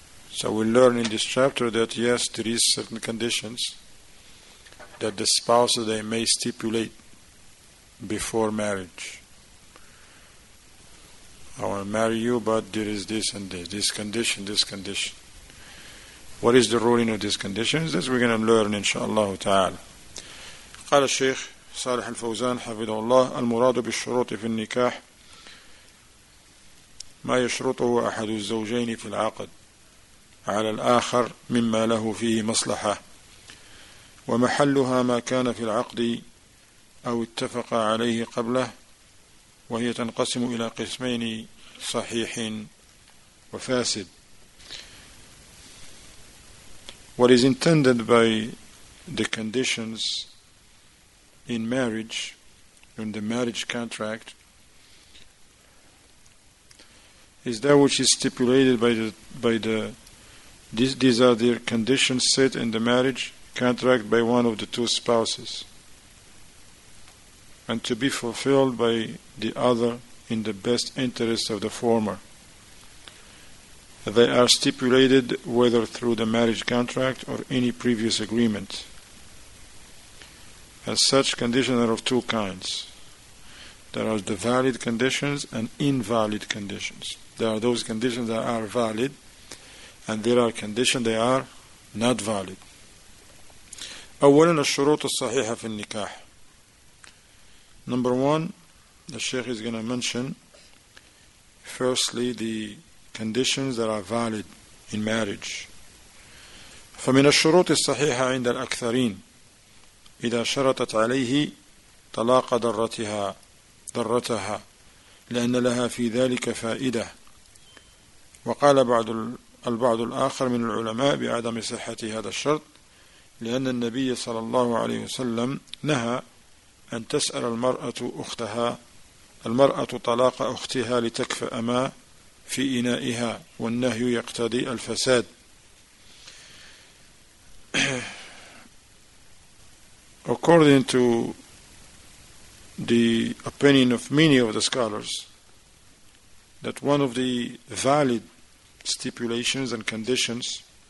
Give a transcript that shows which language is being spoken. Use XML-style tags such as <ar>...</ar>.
<en>So we learn in this chapter that yes, there is certain conditions that the spouses they may stipulate before marriage. I want to marry you, but there is this and this, this condition. What is the ruling of these conditions? This we're going to learn, inshallah ta'ala.</en> <ar>قال الشيخ صالح الفوزان حفظه الله المراد بالشروط في النكاح ما يشرطه أحد الزوجين في العقد على الآخر مما له فيه مصلحة, ومحلها ما كان في العقد أو اتفق عليه قبله, وهي تنقسم إلى قسمين, صحيح وفاسد.</ar> <en>What is intended by the conditions in marriage, in the marriage contract, is that which is stipulated by the These are the conditions set in the marriage contract by one of the two spouses, and to be fulfilled by the other in the best interest of the former. They are stipulated whether through the marriage contract or any previous agreement. As such, conditions are of two kinds. There are the valid conditions and invalid conditions. There are those conditions that are valid, and there are conditions they are not valid.</en> <ar>أولا الشروط الصحيحة في النكاح.</ar> <en>Number one, the Sheikh is going to mention firstly the conditions that are valid in marriage.</en> <ar>فمن الشروط الصحيحة عند الأكثرين إذا شرطت عليه طلاق ضرتها لأن لها في ذلك فائدة. وقال بعض البعض الآخر من العلماء بعدم صحة هذا الشرط لأن النبي صلى الله عليه وسلم نهى أن تسأل المرأة أختها المرأة طلاق أختها لتكفأ ما في إنائها, والنهي يقتضي الفساد.</ar> <en>According to the opinion of many of the scholars, that one of the valid stipulations and conditions</en>